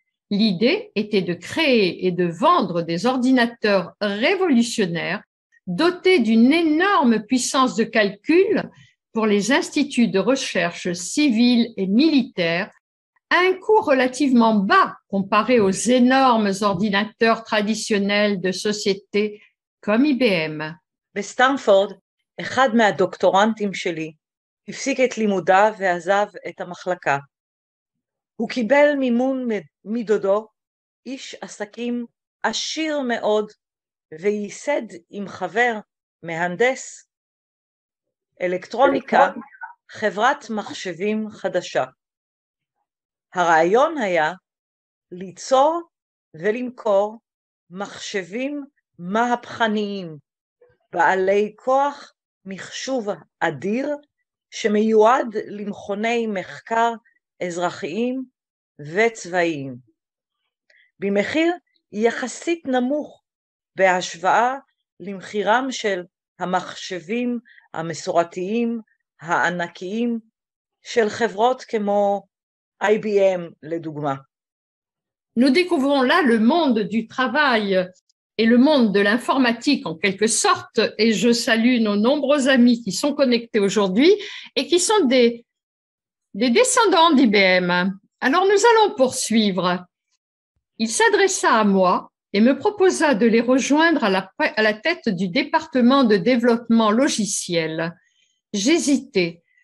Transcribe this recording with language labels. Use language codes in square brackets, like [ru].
[fr] L'idée était de créer et de vendre des ordinateurs révolutionnaires dotés d'une énorme puissance de calcul pour les instituts de recherche civils et militaires à un coût relativement bas comparé aux énormes ordinateurs traditionnels de sociétés comme IBM. [he] בסטנפורד, אחד מהדוקטורנטים שלי הפסיק את לימודיו ועזב את המחלקה. הוא קיבל מימון מדודו, איש עסקים עשיר מאוד, וייסד עם חבר, מהנדס, אלקטרוניקה, חברת מחשבים חדשה. הרעיון היה ליצור ולמכור מחשבים מהפכניים. בעלי כוח מחשוב אדיר שמיועד למכוני מחקר אזרחיים וצבאיים. במחיר יחסית נמוך בהשוואה למחירם של המחשבים המסורתיים הענקיים של חברות כמו IBM לדוגמה. [fr] Nous découvrons là le monde du travail et le monde de l'informatique en quelque sorte, et je salue nos nombreux amis qui sont connectés aujourd'hui et qui sont des descendants d'IBM. Alors nous allons poursuivre. Il s'adressa à moi et me proposa de les rejoindre à la tête du département de développement logiciel. J'hésitais.